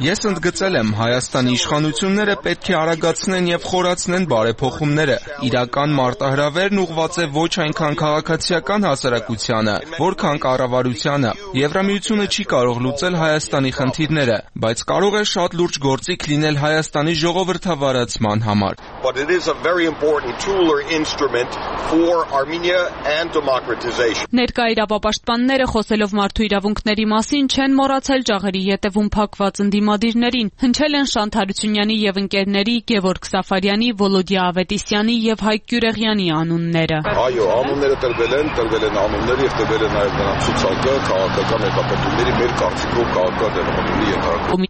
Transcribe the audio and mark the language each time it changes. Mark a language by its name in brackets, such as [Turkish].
[Armenian] Ես ընդգծել եմ, Հայաստանի իշխանությունները պետք է արագացնեն եւ խորացնեն բարեփոխումները։ Իրական մարտահրավերն ուղղված է ոչ այնքան քաղաքացիական հասարակությանը, որքան կառավարությանը։ Եվրամիությունը չի կարող լուծել Հայաստանի խնդիրները, բայց կարող է շատ լուրջ գործիք լինել Հայաստանի ժողովրդավարացման համար։ [English] But it is a very important tool or instrument for Armenia and democratization. [Armenian] Ներկա իրավապաշտպանները, խոսելով մարդու իրավունքների մասին, չեն մոռացել ջահերի ետևում փակված ընդդիմադիրներին, հնչել են Շանթ Հարությունյանի եւ ընկերների Գևորգ Սաֆարյանի, Վոլոդիա Ավետիսյանի եւ Հայկ Գյուրեղյանի անունները։ Այո, անունները տրվել են անունները եւ տրվել են նաեւ նրանց ցուցակը քաղաքական հետապնդումների մեր կարծիքով քաղաքական դեմոկրատիի ենթարկում։